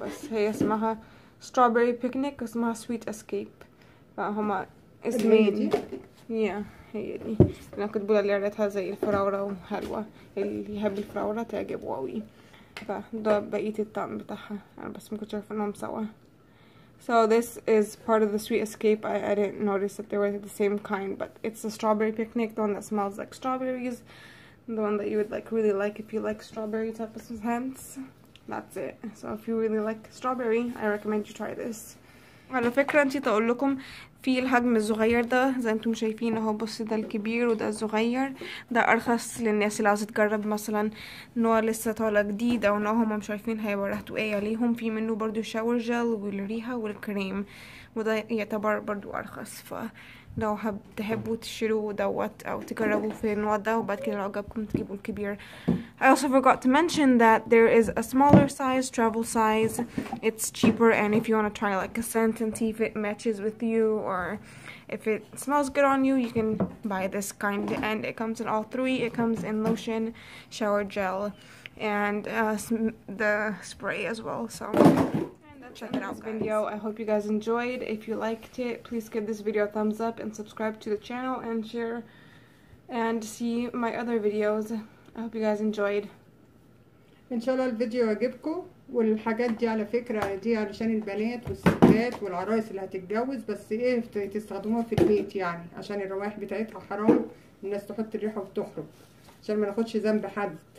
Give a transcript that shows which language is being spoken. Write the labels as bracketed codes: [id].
[ar] بس هي اسمها strawberry picnic اسمها sweet escape. فهما اسمين. يا هي دي انا كنت بقول اللي عرضها زي الفراورة وحلوة. اللي يحب الفراورة تعجبه قوي. فده بقية الطعم بتاعها. انا بس ما كنتش عارف انهم سوا. [en] So this is part of the sweet escape. I didn't notice that they were the same kind, but it's a strawberry picnic, the one that smells like strawberries. The one that you would like really like if you like strawberry type of scents. That's it. So if you really like strawberry, I recommend you try this. [ar] على فكرة انتي تقول لكم في الحجم الصغير ده زي انتم شايفين اهو. بص ده الكبير وده الصغير. ده ارخص للناس اللي عايزة تجرب مثلا نوع لسه طالع جديد او نوع هما مش عارفين هيبقى ريحته ايه عليهم. في منه برضو شاور جل والريحة والكريم وده يعتبر برضو ارخص. فلو تحبوا تشتروا دوت او تجربوا في النوع ده وبعد كده لو عجبكم تجيبوا الكبير. [en] I also forgot to mention that there is a smaller size, travel size. It's cheaper, and if you want to try like a scent and see if it matches with you or if it smells good on you, you can buy this kind. And it comes in all three. It comes in lotion, shower gel, and the spray as well. So check it out, guys. Video. I hope you guys enjoyed. If you liked it, please give this video a thumbs up and subscribe to the channel and share and see my other videos. I hope you guys enjoyed. [ar] ان شاء الله الفيديو يعجبكم. والحاجات دي على فكره دي علشان البنات والستات والعرايس اللي هتتجوز. بس ايه تستخدموها في البيت يعني عشان الروائح بتاعتها حرام الناس تحط الريحه وتخرب عشان ما ناخدش ذنب حد.